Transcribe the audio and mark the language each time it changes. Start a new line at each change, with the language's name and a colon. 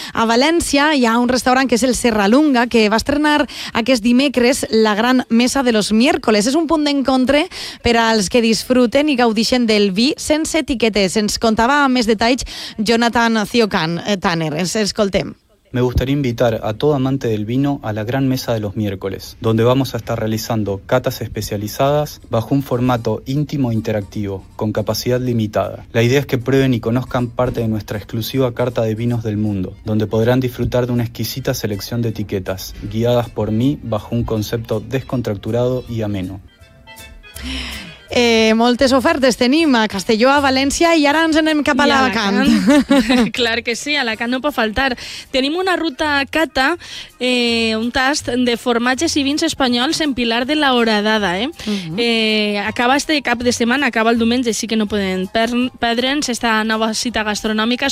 Catalan: A València hi ha un restaurant que és el Serralunga, que va estrenar aquest dimecres la Gran Mesa de los Miércoles. És un punt d'encontre per als que disfruten i gaudixen del vi sense etiquetes. Ens contava amb més detalls Jonathan Ciocan, Tanner. Ens escoltem.
Spanish: Me gustaría invitar a todo amante del vino a la Gran Mesa de los Miércoles, donde vamos a estar realizando catas especializadas bajo un formato íntimo e interactivo, con capacidad limitada. La idea es que prueben y conozcan parte de nuestra exclusiva carta de vinos del mundo, donde podrán disfrutar de una exquisita selección de etiquetas, guiadas por mí bajo un concepto descontracturado y ameno.
Catalan: Moltes ofertes tenim a Castelló, a València, i ara ens anem cap a Alacant. Clar que sí, Alacant no pot faltar. Tenim una ruta cata, un tast de formatges i vins espanyols en Pilar de la Horadada. Acaba este cap de setmana, acaba el diumenge, així que no podem perdre'ns esta nova cita gastronòmica.